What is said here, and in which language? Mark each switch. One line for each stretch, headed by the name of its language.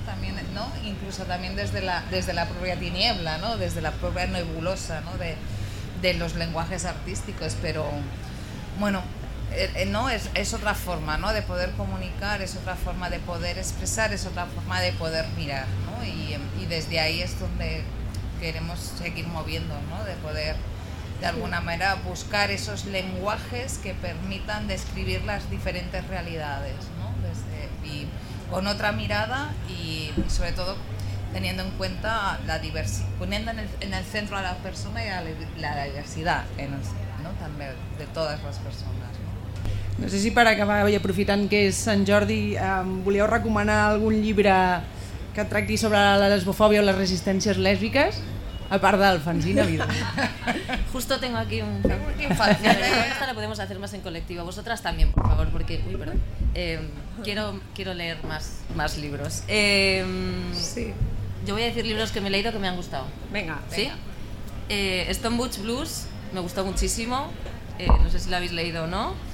Spanish: También, ¿no?, incluso también desde la propia tiniebla, ¿no?, desde la propia nebulosa, ¿no?, de los lenguajes artísticos, pero bueno, no, es otra forma, ¿no?, de poder comunicar, es otra forma de poder expresar, es otra forma de poder mirar, ¿no?, y desde ahí es donde queremos seguir moviendo, ¿no?, de poder de alguna manera buscar esos lenguajes que permitan describir las diferentes realidades, ¿no?, y con otra mirada y sobre todo teniendo en cuenta la diversidad, poniendo en el centro a la persona y a la diversidad, ¿no?, también de todas las personas.
Catalan: No sé si per acabar, i aprofitant que és Sant Jordi, volíeu recomanar algun llibre que tracti sobre la lesbofòbia o les resistències lèsbiques, a part del fanzine, evident.
Spanish: Justo tengo aquí un... Esta la podemos hacer más en colectivo. Vosotras también, por favor, porque... Uy, perdón. Quiero leer más libros. Sí. Yo voy a decir libros que me he leído que me han gustado. Venga, ¿sí? Venga. Stone Butch Blues, me gustó muchísimo. No sé si lo habéis leído o no.